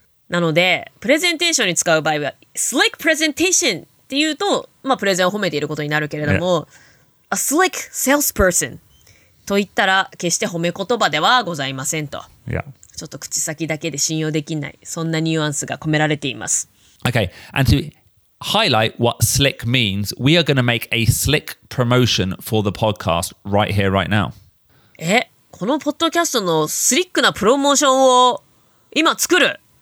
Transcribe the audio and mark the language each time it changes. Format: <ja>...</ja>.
<ja>なので、プレゼンテーションに使う場合は、slick presentation っていうと、まあプレゼンを褒めていることになるけれども、a slick salesperson と言ったら、決して褒め言葉ではございませんと。</ja> <en>Yeah.</en> <ja>ちょっと口先だけで信用できない、そんなニュアンスが込められています。</ja> <en>Okay, and to highlight what slick means, we are going to make a slick promotion for the podcast right here, right now.</en> <ja>え、このポッドキャストのスリックなプロモーションを今作る？</ja>